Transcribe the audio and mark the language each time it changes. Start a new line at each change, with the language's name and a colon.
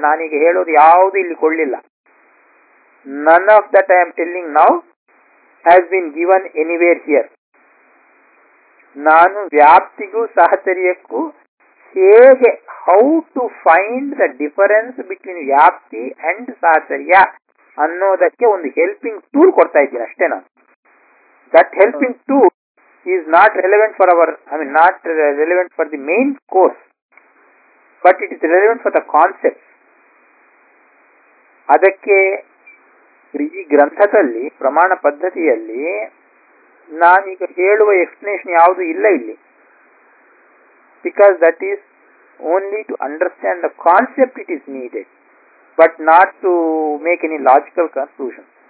Kannada: ನಾನೀಗ ಹೇಳೋದು ಯಾವುದು ಇಲ್ಲಿ ಕೊಡ್ಲಿಲ್ಲ.
English: None of that I am telling now has been given anywhere here.
Kannada: ನಾನು ವ್ಯಾಪ್ತಿಗೂ ಸಹಚರ್ಯಕ್ಕೂ ಹೇಗೆ,
English: how to find the difference between ವ್ಯಾಪ್ತಿ and ಸಹಚರ್ಯ
Kannada: ಅನ್ನೋದಕ್ಕೆ ಒಂದು ಹೆಲ್ಪಿಂಗ್ ಟೂಲ್ ಕೊಡ್ತಾ ಇದ್ದೀನಿ ಅಷ್ಟೇ.
English: ನಾನು that helping tool is not relevant for our, I mean not relevant for the main course, but it is relevant for the concepts.
Kannada: ಅದಕ್ಕೆ ಈ ಗ್ರಂಥದಲ್ಲಿ ಪ್ರಮಾಣ ಪದ್ಧತಿಯಲ್ಲಿ ನಾನೀಗ ಹೇಳುವ ಎಕ್ಸ್ಪ್ಲನೇಷನ್ ಯಾವುದು ಇಲ್ಲ ಇಲ್ಲಿ.
English: Because that is only to understand the concept it is needed, but not to make any logical conclusion.